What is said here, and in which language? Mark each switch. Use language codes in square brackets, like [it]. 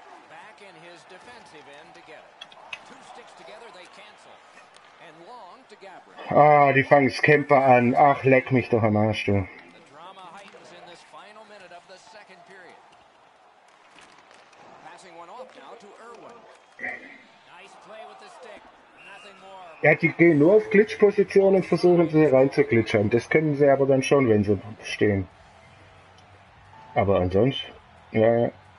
[en] Back in his defensive end to get it. Two sticks together, they cancel. And long to Gabriel. [de] Ah, die fangen Scamper an. Ach, leck mich doch am Arsch, du. [en] The drama heightens in this final minute of the second period. Passing one off now to Irwin. Nice play with the stick. Nothing more. [de] Ja, die gehen nur auf Glitch-Position und versuchen sie reinzuglitschern. Das können sie aber dann schon, wenn sie stehen. Aber ansonsten, ja.